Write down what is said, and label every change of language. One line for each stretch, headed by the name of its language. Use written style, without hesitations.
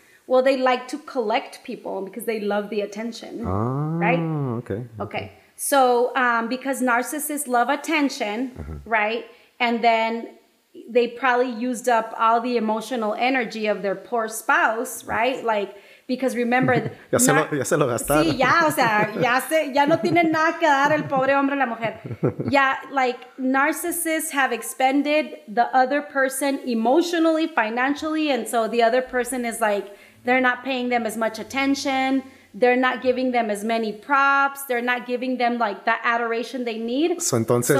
English: Well, they like to collect people because they love the attention. Oh, right? Okay. Okay. So because narcissists love attention, uh-huh. right? And then they probably used up all the emotional energy of their poor spouse, right? Like, because remember...
Spanish: ya se lo gastaron. Sí, ya, o sea, ya no tienen nada que dar el pobre hombre o la mujer.
English: Yeah, like, narcissists have expended the other person emotionally, financially, and so the other person is like, they're not paying them as much attention, they're not giving them as many props, they're not giving them, like, the adoration they need.
Spanish: So, entonces,